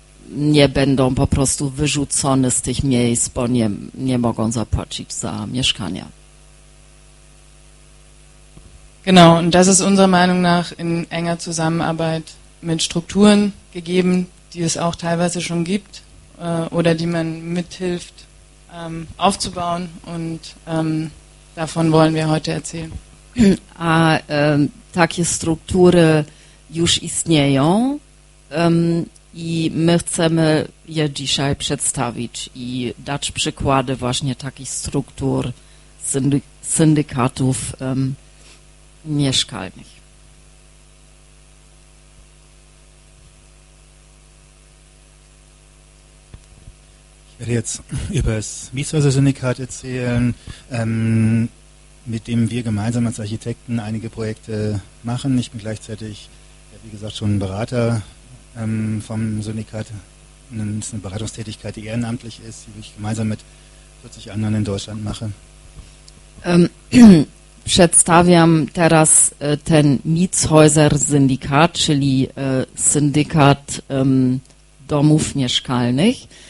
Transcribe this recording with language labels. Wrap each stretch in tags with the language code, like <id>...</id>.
<pl>nie będą po prostu wyrzucone z tych miejsc, bo nie mogą zapłacić za mieszkania.</pl> <de>Genau, und das ist unserer Meinung nach in enger Zusammenarbeit mit Strukturen gegeben, die es auch teilweise schon gibt oder die man mithilft aufzubauen und davon wollen wir heute erzählen.</de> <pl>A takie struktury już istnieją i my chcemy je dzisiaj przedstawić i dać przykłady właśnie takich struktur syndykatów mieszkalnych.</pl> <de>Ich werde jetzt über das Mietshäuser-Syndikat erzählen, mit dem wir gemeinsam als Architekten einige Projekte machen. Ich bin gleichzeitig, wie gesagt, schon Berater vom Syndikat. Es ist eine Beratungstätigkeit, die ehrenamtlich ist, die ich gemeinsam mit 40 anderen in Deutschland mache.</de> <pl>Przedstawiam teraz ten Mietshäuser-Syndikat, czyli syndikat domów mieszkalnych.</pl>